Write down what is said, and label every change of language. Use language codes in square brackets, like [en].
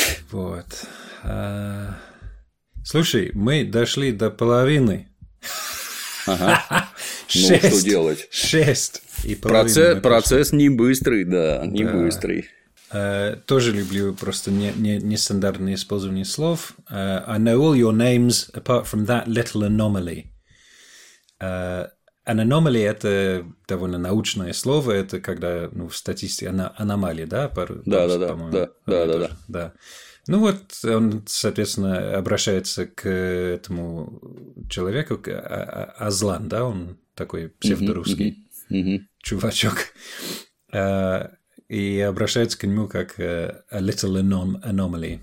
[ru] Вот. Слушай, мы дошли до половины. Ага. Шесть, ну, что делать? Шесть и процесс, процесс не быстрый, да, не быстрый. Тоже люблю просто нестандартное использование слов. [en] I know all your names apart from that little anomaly. [ru] An anomaly – это довольно научное слово, это когда, ну, в статистике аномалия, да? Да. Ну вот, он, соответственно, обращается к этому человеку, к Азлан, да, он такой псевдорусский чувачок, и обращается к нему как [en] «a little anomaly».